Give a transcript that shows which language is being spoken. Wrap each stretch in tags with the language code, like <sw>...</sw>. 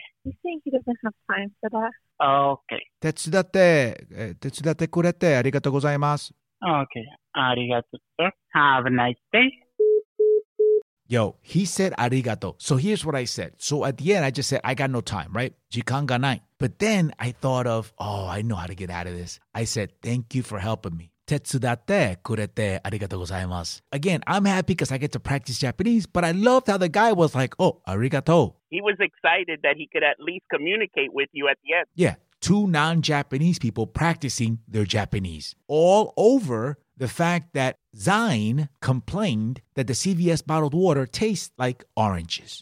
<en>You think he doesn't have time for that? Okay.</en> <ja>手伝ってくれてありがとうございます。</ja> <en>Okay. Arigato, sir. Have a nice day. Yo, he said arigato. So here's what I said. So at the end, I just said, I got no time, right?</en> <ja>時間がない.</ja> <en>But then I thought of, oh, I know how to get out of this. I said, thank you for helping me.</en> <ja>手伝ってくれてありがとうございます.</ja> <en>Again, I'm happy because I get to practice Japanese, but I loved how the guy was like, oh, arigato. He was excited that he could at least communicate with you at the end. Yeah, two non-Japanese people practicing their Japanese. All over the fact that Zine complained that the CVS bottled water tastes like oranges.</en>